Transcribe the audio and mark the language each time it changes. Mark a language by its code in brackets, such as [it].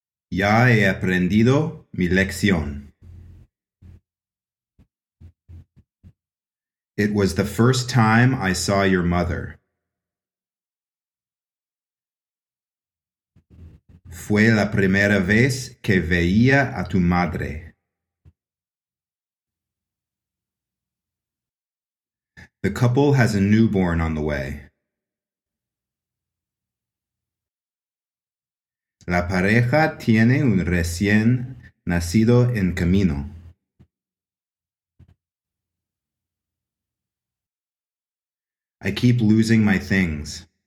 [es] Ya he aprendido mi lección. [en] It was the first time I saw your mother. [es] Fue la primera vez que veía a tu madre. [en] The couple has a newborn on the way. [es] La pareja tiene un recién nacido en camino. [en] I keep losing my things.